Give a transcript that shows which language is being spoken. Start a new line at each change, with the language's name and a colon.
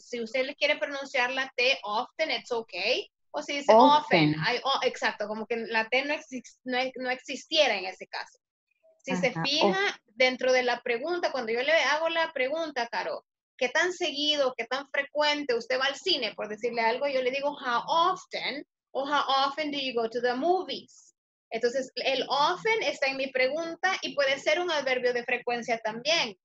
Spanish: Si usted le quiere pronunciar la T,
English: often, it's okay.
Spanish: O si dice often. Exacto, como que la T no existiera en ese caso. Si ajá, se fija, dentro de la pregunta, cuando yo le hago la pregunta, Caro, ¿qué tan seguido, qué tan frecuente usted va al cine? Por decirle algo, yo le digo,
English: how often, o how often do you go to the movies?
Spanish: Entonces, el often está en mi pregunta y puede ser un adverbio de frecuencia también.